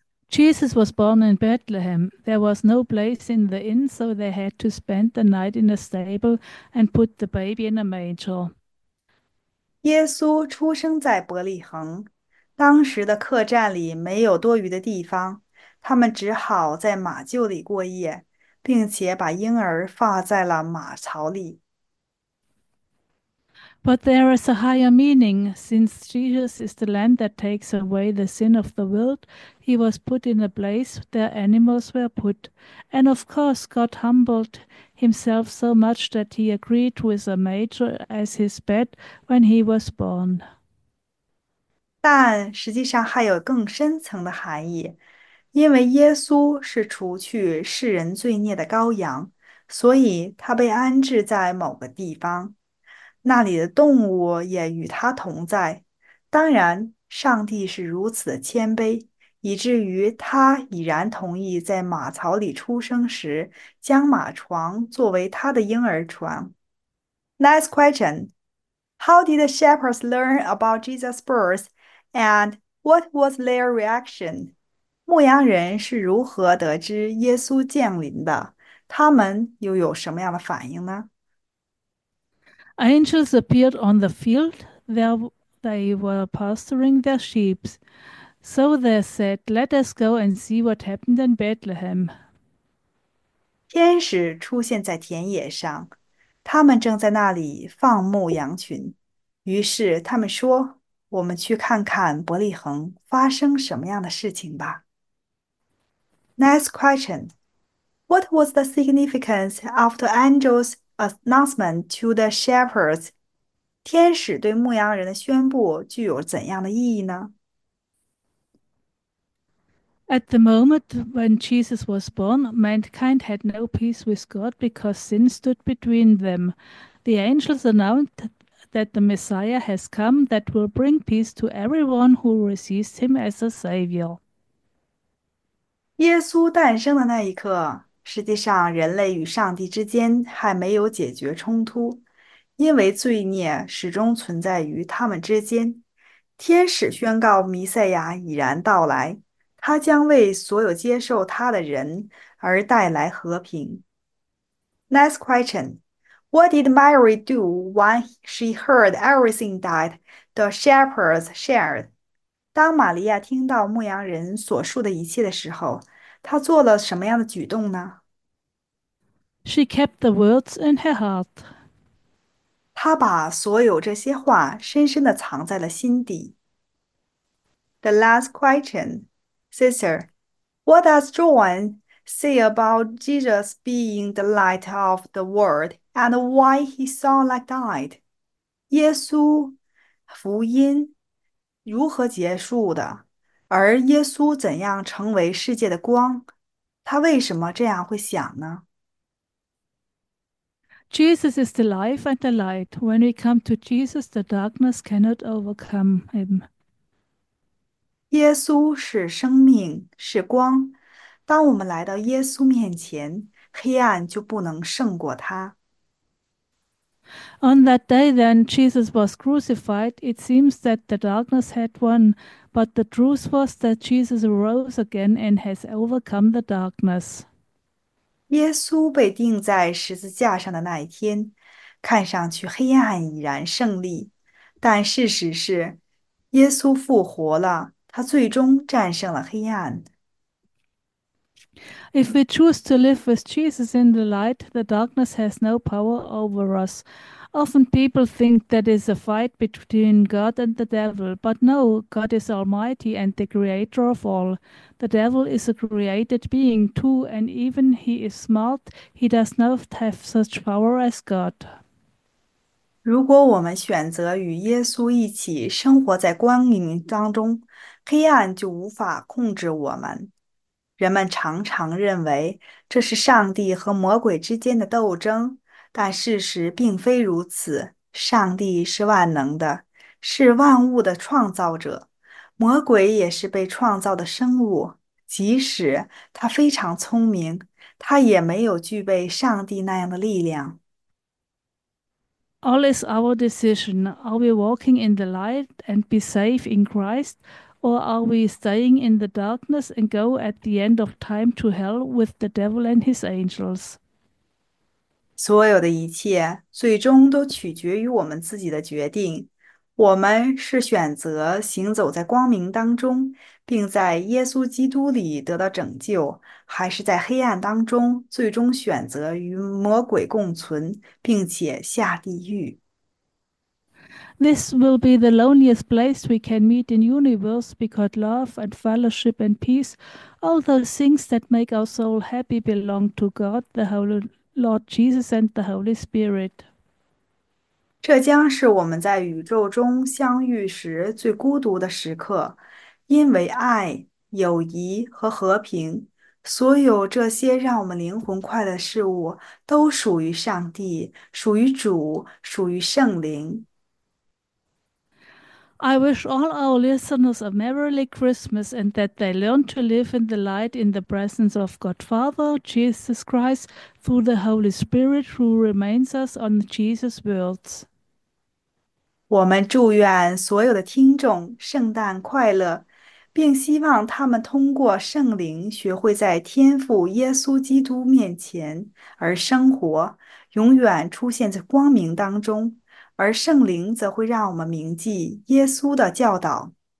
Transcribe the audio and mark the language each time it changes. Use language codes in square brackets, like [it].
[en] Jesus was born in Bethlehem. There was no place in the inn, so they had to spend the night in a stable and put the baby in a manger. [zh] 耶稣出生在伯利恒，当时的客栈里没有多余的地方，他们只好在马厩里过夜，并且把婴儿放在了马槽里。 [en] But there is a higher meaning. Since Jesus is the Lamb that takes away the sin of the world, he was put in a place where animals were put. And of course, God humbled himself so much that he agreed with a manger as his bed when he was born. [zh] 但实际上还有更深层的含义，因为耶稣是除去世人罪孽的羔羊，所以他被安置在某个地方，那里的动物也与他同在。当然，上帝是如此的谦卑，以至于他已然同意在马槽里出生时将马床作为他的婴儿床。 [en] Next question: How did the shepherds learn about Jesus' birth? And what was their reaction? [zh] 牧羊人是如何得知耶稣降临的？他们又有什么样的反应呢？ [en] Angels appeared on the field. There they were pasturing their sheep. So they said, "Let us go and see what happened in Bethlehem." [zh] 天使出现在田野上，他们正在那里放牧羊群，于是他们说。我们去看看伯利恒发生什么样的事情吧。 [en] Next question. What was the significance of the angel's announcement to the shepherds? [zh] 天使对牧羊人的宣布具有怎样的意义呢？ [en] At the moment when Jesus was born, mankind had no peace with God because sin stood between them. The angels announced that the Messiah has come that will bring peace to everyone who receives him as a savior. [zh] 耶稣诞生的那一刻，实际上人类与上帝之间还没有解决冲突，因为罪孽始终存在于他们之间。天使宣告弥赛亚已然到来，他将为所有接受他的人而带来和平。 [en] Next question: What did Mary do when she heard everything that the shepherds shared? [zh] 当玛利亚听到牧羊人所述的一切的时候，她做了什么样的举动呢？ [en] She kept the words in her heart. [zh] 她把所有这些话深深地藏在了心底。 [en] The last question, sister, what does John say about Jesus being the light of the world and why he saw like died? [zh] 耶稣福音。如何结束的？而耶稣怎样成为世界的光？他为什么这样会想呢？ [en] Jesus is the life and the light. When we come to Jesus, the darkness cannot overcome him. [zh] 耶稣是生命，是光。当我们来到耶稣面前，黑暗就不能胜过他。 [en] On that day, then Jesus was crucified. It seems that the darkness had won, but the truth was that Jesus rose again and has overcome the darkness. [zh] 耶稣被钉在十字架上的那一天，看上去黑暗已然胜利，但事实是，耶稣复活了，他最终战胜了黑暗。 [en] If we choose to live with Jesus in the light, the darkness has no power over us. Often people think that is a fight between God and the devil, but no, God is almighty and the creator of all. The devil is a created being too, and even he is small, he does not have such power as God. [zh] 如果我们选择与耶稣一起生活在光明当中，黑暗就无法控制我们。人们常常认为这是上帝和魔鬼之间的斗争，但事实并非如此。上帝是万能的，是万物的创造者。魔鬼也是被创造的生物，即使他非常聪明，他也没有具备上帝那样的力量。 [en] All is our decision. Are we walking in the light and be safe in Christ, or are we staying in the darkness and go at the end of time to hell with the devil and his angels? [zh] 所有的一切最终都取决于我们自己的决定。我们是选择行走在光明当中，并在耶稣基督里得到拯救，还是在黑暗当中最终选择与魔鬼共存，并且下地狱。 [en] This will be the loneliest place we can meet in universe, because love and fellowship and peace, all those things that make our soul happy, belong to God, the Holy Lord Jesus, and the Holy Spirit. [zh] 这将是我们在宇宙中相遇时最孤独的时刻，因为爱、友谊和和平，所有这些让我们灵魂快乐的事物都属于上帝，属于主，属于圣灵。 [en] I wish all our listeners a merry Christmas and that they learn to live in the light in the presence of God Father, Jesus Christ, through the Holy Spirit who reminds us on Jesus' words. [zh] 我们祝愿所有的听众圣诞快乐，并希望他们通过圣灵学会在天父耶稣基督面前而生活，永远出现在光明当中，而圣灵则会让我们铭记耶稣的教导。